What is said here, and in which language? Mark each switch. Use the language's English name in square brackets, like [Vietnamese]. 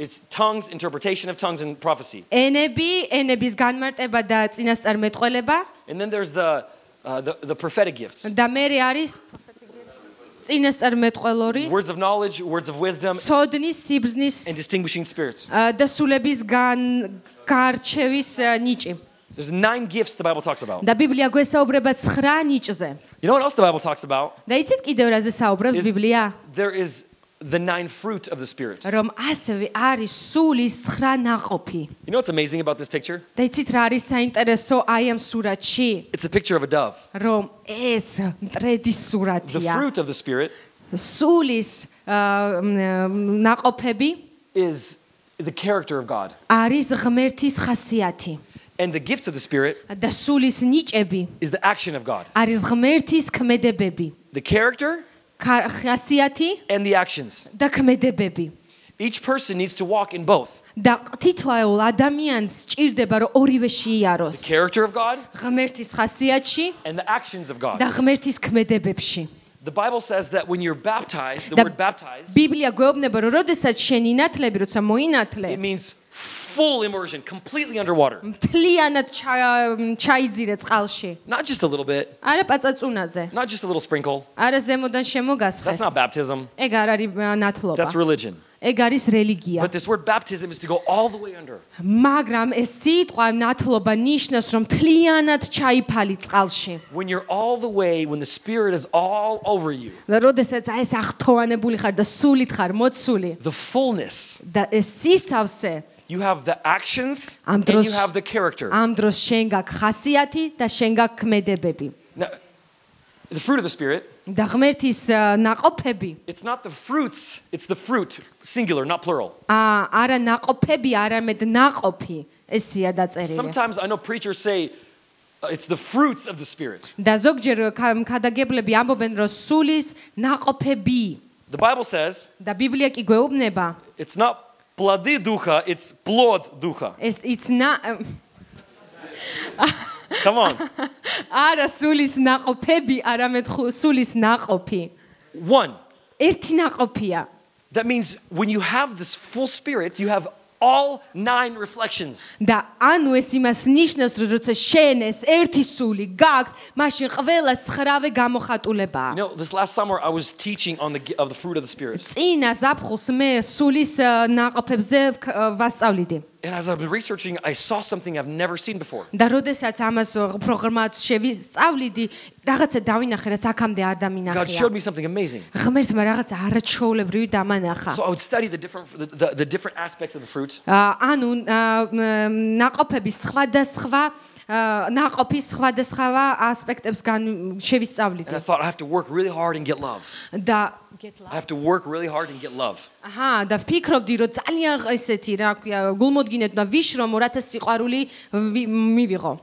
[English] It's tongues, interpretation of tongues and prophecy. [Georgian] ენები, ენების განმარტება და წინასწარმეტყველება. [English] And then there's the prophetic gifts. [Georgian] და მე არის წინასწარმეტყველი. [English] Words of knowledge, words of wisdom. [Georgian] სოდნის, სიბზნის. [English] And distinguishing spirits. [Georgian] და სულების განგარჩევის ნიჭი. [English] There's 9 gifts the Bible talks about. [Georgian] და ბიბლია გვესაუბრება 9 ნიჭზე. [English] You know what else the Bible talks about? [Georgian] და იცით კიდევ რაზე საუბრობს ბიბლია? [English] There is the nine fruit of the spirit. [Georgian] Რომ ასევე არის სულის 9 ნაყოფი. [English] You know what's amazing about this picture? [Georgian] და იცით რა არის საინტერესო აი ამ სურათში? [English] It's a picture of a dove. [Georgian] რომ ეს მტრედის სურათია. [English] The fruit of the spirit. [Georgian] სულის ნაყოფები [English] is the character of God. [Georgian] არის ღმერთის ხასიათი. [English] And the gifts of the spirit [Georgian] და სულის ნიჭები [English] is the action of God. [Georgian] არის ღმერთის ქმედებები. [English] The character [Georgian] ხასიათი [English] and the actions [Georgian] და ქმედებები. [English] Each person needs to walk in both. [Georgian] და თითოეულ ადამიანს ჭირდება რომ ორივე შეიაროს. [English] The character of God [Georgian] ღმერთის ხასიათში [English] and the actions of God [Georgian] და ღმერთის ქმედებებში. [English] The Bible says that when you're baptized, the word baptized. [Georgian] ბიბლია გვეუბნება რომ როდესაც შენი ნათლები როცა მოინათლე. [English] It means full immersion, completely underwater. [Georgian] მთლიანად ჩაიძირე წყალში. [English] Not just a little bit. [Georgian] არა პაწაწუნაზე. [English] Not just a little sprinkle. [Georgian] არა ზემოდან შემოგასხეს. [English] That's not baptism. [Georgian] ეგ არ არის ნათლობა. [English] That's religion. [Georgian] ეგ არის რელიგია. [English] But this word baptism is to go all the way under. [Georgian] მაგრამ ეს სიტყვა ნათლობა ნიშნავს რომ მთლიანად ჩაიფალი წყალში. [English] When you're all the way, when the spirit is all over you. [Georgian] და როდესაც ეს ახთოვანებული ხარ და სულით ხარ მოცული. [English] The fullness. [Georgian] და ეს სისავსე. [English] You have the actions and you have the character. [Georgian] ამ დროს შენ გაქვს ხასიათი და შენ გაქვს ქმედებები. [English] The fruit of the spirit. [Georgian] და ღმერთის ნაყოფები. [English] It's not the fruits, it's the fruit singular, not plural. [Georgian] არა ნაყოფები, არამედ ნაყოფი ესია დაწერილი. [English] Sometimes I know preachers say it's the fruits of the spirit. [Georgian] და ზოგჯერ ქადაგებლები ამბობენ რომ სულის ნაყოფები. [English] The Bible says. [Georgian] და ბიბლია კი გვეუბნება. [English] It's not [Russian] плоды духа, [English] it's [Russian] plod духа. [English] It's not Come on. [Georgian] Ара сулис наყოფები, арамет сулис наყოფი. [English] One. [Georgian] ერთი наყოფია. [English] That means when you have this full spirit, you have all nine reflections. [Georgian] Да, ანუ ეს იმას ნიშნავს, რომ როცა შენ ეს ერთი სული გაქვს, მაშინ ყველა ცხრავე გამოხატულებაა. [English] No, this last summer I was teaching on the fruit of the spirit. [Georgian] წინა ზაფხულს მე სულის ნაყოფებზე ვასწავლიდი. [English] And as I was researching, I saw something I've never seen before. [Georgian] და როდესაც ამას პროგრამაც შევისწავლიდი, რაღაცა დავინახე, რაც აქამდე არ დამინახე. [English] God showed me something amazing. [Georgian] ღმერთმა რაღაცა არაჩვეულებრივი დამანახა. [English] So I would study the different aspects of the fruit. [Georgian] ანუ ნაყოფების სხვადასხვა ნაყოფის სხვადასხვა ასპექტებს შევისწავლიდი. [English] I thought I have to work really hard and get love. [Georgian] და [English] I have to work really hard and get love. [Georgian] Aha, და ფიქრობდი რომ ძალიან ესეთი რა ქვია გულმოდგინეთ და ვიშრო მორათა სიყვარული მივიღო.